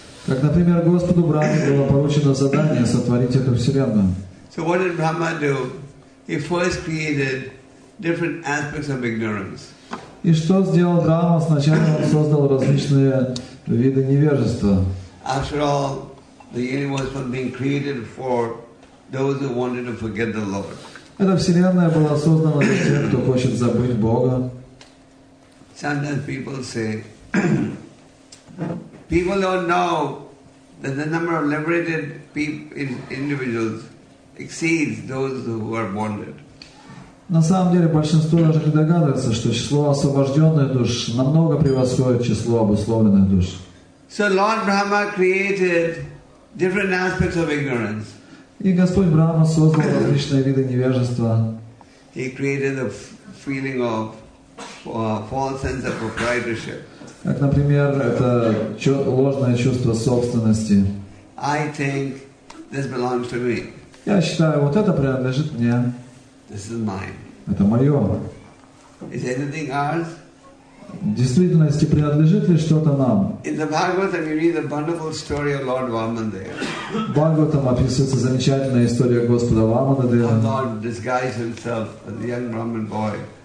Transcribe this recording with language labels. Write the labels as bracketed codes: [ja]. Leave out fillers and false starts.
[ru] Как, например, Господу Брахме было поручено задание сотворить эту вселенную. [en] So what did Brahma do? He first created different aspects of ignorance. [ru] И что сделал Брахма? Сначала он создал различные виды невежества. [en] After all, the universe was being created for those who wanted to forget the Lord. [ru] Эта вселенная была создана для тех, кто хочет забыть Бога. [en] Sometimes people say, people don't know that the number of liberated individuals exceeds those who are bonded. [ru] На самом деле большинство даже не догадывается, что число освобожденных душ намного превосходит число обусловленных душ. [en] So Lord Brahma created different aspects of ignorance. [ru] И Господь Брахма создал различные виды невежества. [en] He created a feeling of false sense of proprietorship. [ru] Как, например, это ложное чувство собственности. [en] I think this belongs to me. [ru] Я считаю, вот это принадлежит мне. [en] This is mine. [ru] Это мое. [en] Is anything ours? [ru] В действительности принадлежит ли что-то нам? [en] In the Bhagavatam, you read the wonderful story of Lord Vamadeva. [ru] В Бхагаватам описывается замечательная история Господа Вамадева. [en] How Lord disguised himself as a young Brahmin boy.